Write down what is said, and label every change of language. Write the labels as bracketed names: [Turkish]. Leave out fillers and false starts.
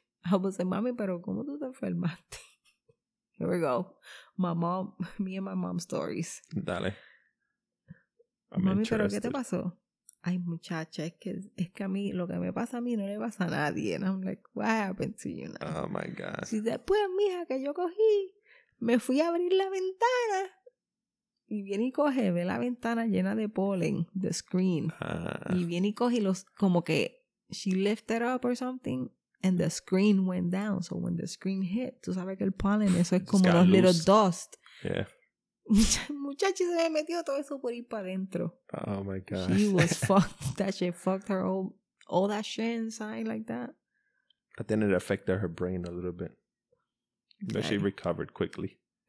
[English] I was like, [Spanish] mami, pero ¿cómo tú te enfermaste? [English] Here we go. My mom, me and my mom stories. [Spanish] Dale. [English] I'm mami, interested. [Spanish] Pero ¿qué te pasó? Ay, muchacha, es que a mí, lo que me pasa a mí no le pasa a nadie. [English] And I'm like, what happened to you now? Oh, my God. [Spanish] Si después, mija, que yo cogí, me fui a abrir la ventana. Y viene y coge, ve la ventana llena de polen, [English] the screen. [Spanish] Y viene y coge los, como que [English] she lifted up or something. And the screen went down. So when the screen hit, [Spanish] tú sabes que el [English] pollen, [Spanish] eso es como los [English] little dust. Yeah. [Spanish] Muchacha se me metió todo eso por ir para adentro. [English] Oh, my God. She was fucked. That shit fucked her all that shit inside like that. But then it affected her brain a little bit. Okay. But she recovered quickly.